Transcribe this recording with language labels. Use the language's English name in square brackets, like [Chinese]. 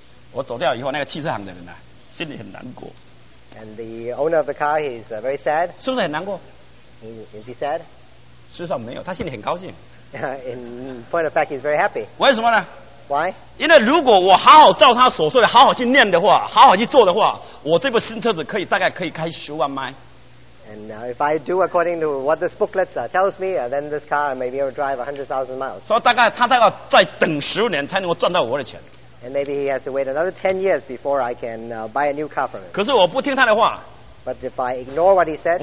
[Chinese] 我走掉以后，那个汽车行的人啊，心里很难过。 [English] And the owner of the car, he's very sad. [Chinese] 是不是很难过？ [English] Is he sad? [Chinese] 事实上没有，他心里很高兴。 [English] In point of fact, he's very happy. [Chinese] 为什么呢？ [English] Why? [Chinese] 因为如果我好好照他所说的，好好去念的话，好好去做的话，我这部新车子大概可以开100,000 miles. [English] And if I do according to what this booklet tells me, then this car maybe will drive 100,000 miles. [Chinese] 所以大概他大概再等10年才能够赚到我的钱。 [English] And maybe he has to wait another 10 years before I can buy a new car from him. [Chinese] 可是我不听他的话。 [English] But if I ignore what he said,